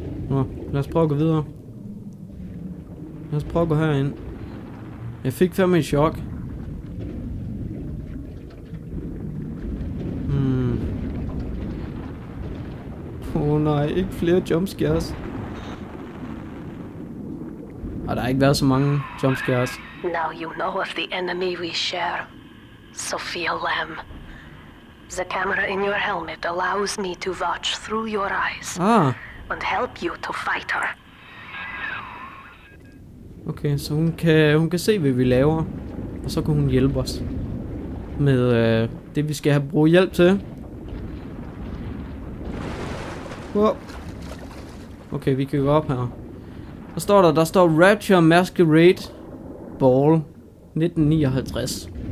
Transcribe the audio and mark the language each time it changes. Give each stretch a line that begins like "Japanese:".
Danish: Nå, lad os prøve at gå videre. Lad os prøve at gå herind. Jeg fik fandme en chok. Oh nej, ikke flere jumpscares. Og der har ikke været så mange jumpscares.
English: Now you know of the enemy we share. Sophia Lam. The camera in your helmet allows me to watch through your eyes. Ah. And help you to fight her.
Danish: Okay, så hun kan se, hvad vi laver. Og så kan hun hjælpe os. Med det, vi skal have brug for hjælp til. Wow. Okay, vi kan gå op her. Der står der, Rapture Masquerade Ball 1959.